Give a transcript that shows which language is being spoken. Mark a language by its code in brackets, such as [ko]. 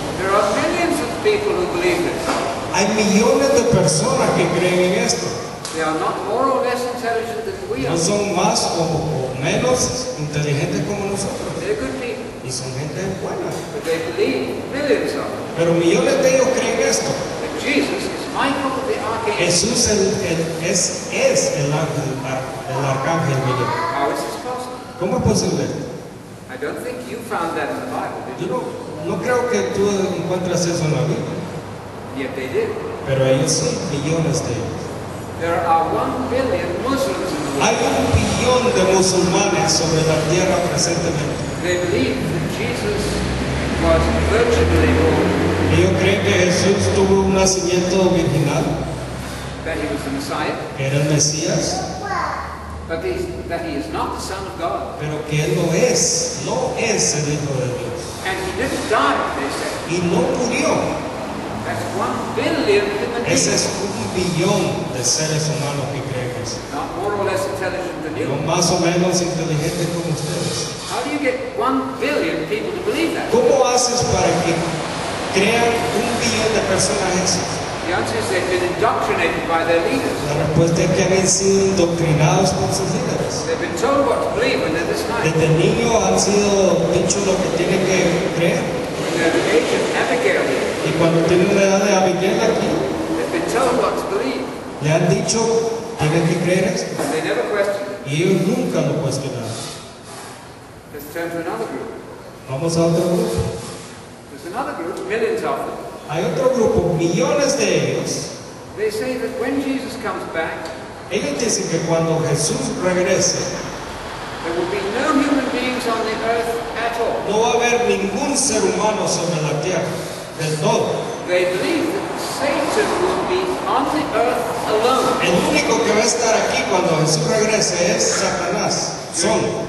[en] There are millions of people who believe this. [es] Hay millones de personas que creen en esto. [en] They are not more or less intelligent than we are. [es] No son más o menos inteligentes como nosotros. [en] They're good people. [es] Y son gente buena. [en] But they believe millions of them. [es] Pero millones de ellos creen esto. [en] That Jesus is Michael the Archangel. [es] Jesús es el ángel, el arcángel Miguel. ¿Cómo es posible? [en] I don't think you found that in the Bible, did you? [es] No, no creo que tú encuentres eso en la Biblia. [en] Yet they did. [es] Pero ahí sí, millones de ellos. [en] There are 1 billion Muslims in the world. [es] Hay 1 billón de musulmanes sobre la tierra presentemente. [en] They believe that Jesus was virginally born. [es] Ellos creen que Jesús tuvo un nacimiento virginal. [en] That he was the Messiah. [es] Era el Mesías. [en] But that he is not the Son of God. [es] Pero que él no es el Hijo de Dios. [en] And he didn't die, they said. [es] Y no murió. [en] That's 1 billion human beings. [es] Ese es 1 billón de seres humanos que creen que es. [en] Not more or less intelligent than you. [es] No más o menos inteligente como ustedes. [en] How do you get 1 billion people to believe that? [es] ¿Cómo haces para que crean 1 billón de personas eso? [en] The answer is they've been indoctrinated by their leaders. [es] La respuesta es que han sido indoctrinados por sus líderes. [en] They've been told what to believe when they're this night. [es] Desde niño han sido dicho lo que tienen que creer. [en] When they're the age of Abigail. [es] Y cuando tienen la edad de Abigail aquí. [en] They've been told what to believe. [es] Le han dicho, tienen que creer esto. [en] And they never questioned. [es] Y ellos nunca lo cuestionaron. [en] Let's turn to another group. [es] Vamos a otro grupo. [en] There's another group, millions of them. [es] Hay otro grupo, millones de ellos. [en] They say that when Jesus comes back, [es] ellos dicen que cuando Jesús regrese, [en] there will be no human beings on the earth at all. [es] No va a haber ningún ser humano sobre la tierra, del todo. [en] They believe that Satan will be on the earth alone. [es] El único que va a estar aquí cuando Jesús regrese es Satanás, solo.